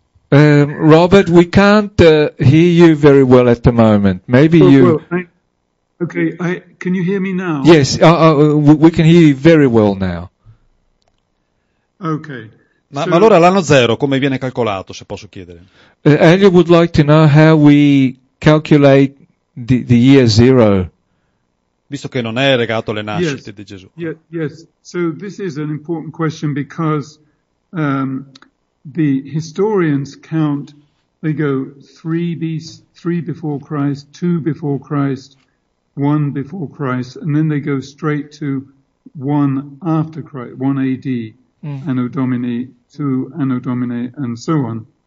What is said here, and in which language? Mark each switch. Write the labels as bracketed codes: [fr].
[en] Robert, we can't hear you very well at the moment. Can you hear me now? Yes, we can hear you very well now. Okay. [it] Ma allora l'anno zero come viene calcolato, se posso chiedere? [en] Elio would like to know how we calculate the year zero. [it] Visto che non è legato alle nascite di Gesù. [en] Yes, so this is an important question because the historians count, they go 3 before Christ, 2 before Christ, 1 before Christ, and then they go straight to 1 after Christ, 1 AD, Anno Domini, 2 Anno Domini, and so on.